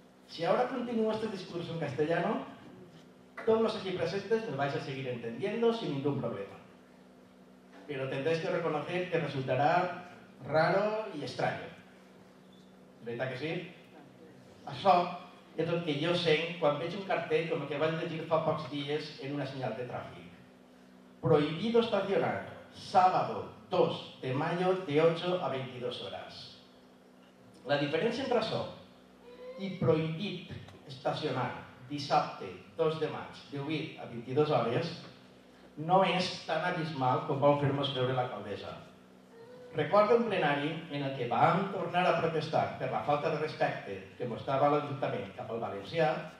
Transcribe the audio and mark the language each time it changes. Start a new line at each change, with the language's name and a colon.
Spanish: Si ara continuo este discurso en castellano, todos los aquí presentes me vais a seguir entendiendo sin ningún problema. Pero tendréis que reconocer que resultará raro y extraño. ¿Verdad que sí?
Catalan: Això és el que jo sent quan veig un cartell com el que vaig llegir fa pocs dies en una senyal de tràfic.
Spanish: Prohibido estacionar sábado 2 de mayo de 8 a 22 horas.
Catalan: La diferència entre això i prohibit estacionar dissabte 2 de maig de 8 a 22 hores no és tan abismal com vol fer-nos veure l'alcaldessa. Recordo un plenari en el que vam tornar a protestar per la falta de respecte que mostrava l'Ajuntament cap al valencià